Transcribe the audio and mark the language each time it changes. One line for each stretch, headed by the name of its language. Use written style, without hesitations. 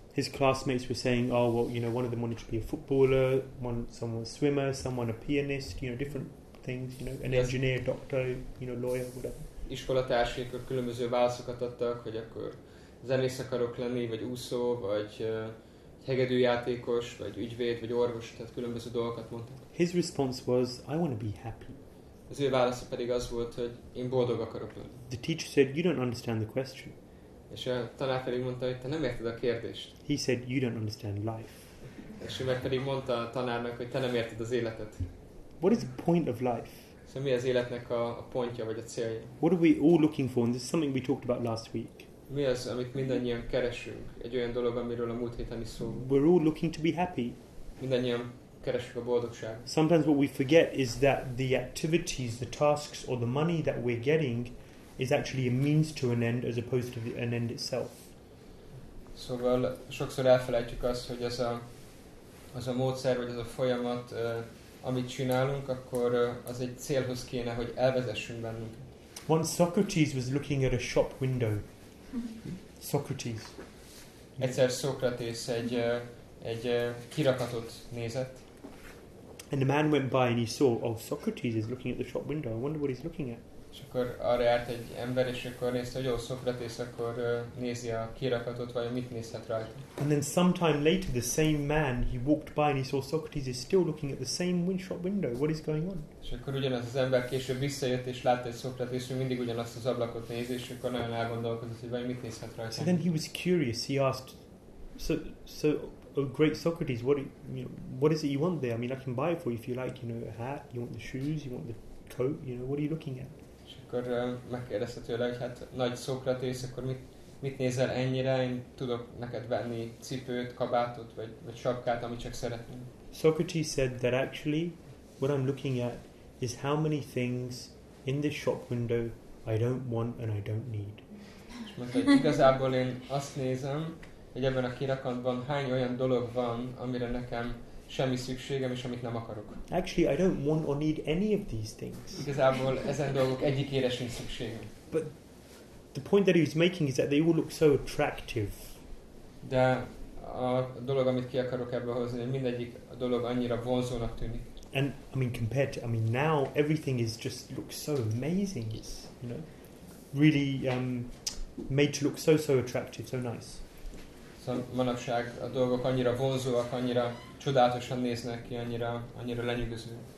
English: His classmates were saying, oh, well, you know, one of them wanted to be a footballer, one, someone a swimmer, someone a pianist, you know, different things, you know, an engineer, doctor, you know, lawyer, whatever.
Hungarian: Iskolatársaik a különböző válaszokat adtak, hogy akkor zenész akarok lenni, vagy úszó, vagy hegedűjátékos, vagy ügyvéd, vagy orvos, tehát különböző dolgokat mondtak.
English: His response was, I want to be happy.
Hungarian: Az ő válasza pedig az volt, hogy én boldog akarok lenni.
English: The teacher said, you don't understand the question.
Hungarian: És a tanár pedig mondta, hogy te nem érted a kérdést.
English: He said, you don't understand life.
Hungarian: És ő meg pedig mondta a tanárnak, hogy te nem érted az életet.
English: What is the point of life?
Hungarian: So, mi az életnek a pontja vagy a célja?
English: What are we all looking for? And this is something we talked about last week.
Hungarian: Mi az, amit mindannyian keresünk? Egy olyan dolog, amiről a múlt héten is szó.
English: We're all looking to be happy.
Hungarian: Mindannyian keresünk a boldogságot.
English: Sometimes what we forget is that the activities, the tasks, or the money that we're getting is actually a means to an end, as opposed to an end itself.
Hungarian: Szóval sokszor elfelejtjük azt, hogy az a módszer vagy az a folyamat. Amit csinálunk, akkor az egy célhoz kéne, hogy elvezessünk bennünk.
English: Once Socrates was looking at a shop window. Socrates.
Hungarian: Egyszer Szokratész egy kirakatot nézett.
English: And a man went by and he saw, oh, Socrates is looking at the shop window. I wonder what he's looking at.
Hungarian: És akkor arra járt egy ember, és akkor nézte, hogy jó, Szokratész akkor nézi a kirakatot, vagy mit nézhet rajta.
English: And then sometime later, the same man, he walked by, and he saw Socrates is still looking at the same shop window. What is going on?
Hungarian: És akkor ugyanaz az ember később visszajött, és látta, hogy Szokratész mindig ugyanazt az ablakot nézi, és akkor nagyon elgondolkozott, hogy vagy mit nézhet rajta.
English: And then he was curious, he asked, so oh, great Socrates, what is it you want there? I mean, I can buy it for you if you like, you know, a hat, you want the shoes, you want the coat, you know, what are you looking at?
Hungarian: Akkor megkérdezte tőle, hogy hát nagy Szókratész, akkor mit nézel ennyire? Én tudok neked venni cipőt, kabátot, vagy sapkát, amit csak szeretném.
English: Socrates said that actually what I'm looking at is how many things in this shop window I don't want and I don't need.
Hungarian: És mondta, hogy igazából én azt nézem, hogy ebben a kirakatban hány olyan dolog van, amire nekem semmi szükségem és amit nem akarok.
English: Actually, I don't want or need any of these things.
Hungarian: Igazából ezen dolgok egyikére sem szükségem.
English: But the point that he was making is that they all look so attractive.
Hungarian: De a dolog, amit ki akarok ebből hozni, mindegyik a dolog annyira vonzónak tűnik.
English: And I mean, compared to, I mean, now everything is just looks so amazing. It's, you know, really made to look so attractive, so nice.
Hungarian: Szóval manapság a dolgok annyira vonzóak, annyira csodálatosan néznek ki, annyira lenyűgöző.